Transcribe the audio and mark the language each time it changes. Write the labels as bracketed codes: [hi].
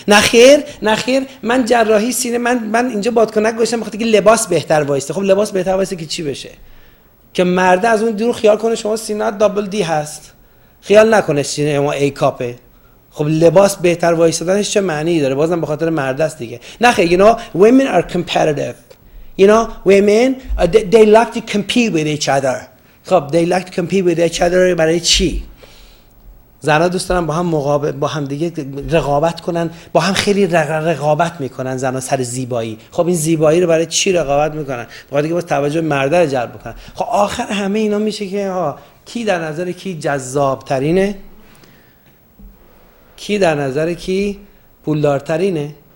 [fa] نخیر من جراحی سینه، من اینجا بادکنک گذاشتم بخاطر اینکه لباس بهتر وایسته. خب لباس بهتر وایسته که چی بشه؟ که مرده از اون دور خیال کنه شما سینه دابل دی هست، خیال نکنه سینه ما ای کاپه. خب لباس بهتر وایستادنش چه معنی داره؟ بازم به خاطر مرده است دیگه. نخیر، [en] you know women are competitive. You know women they like to compete with each other. [fa] خب [en] they like to compete with each other [fa] برای چی؟ زنها دوست دارن با هم مقابل با هم دیگه رقابت کنن، با هم خیلی رقابت میکنن زنها سر زیبایی. خب این زیبایی رو برای چی رقابت میکنن؟ بخاطر اینکه با توجه مرده رو جلب کنن. خب آخر همه اینا میشه که کی در نظر کی جذاب ترینه، کی در نظر کی پولدارترینه.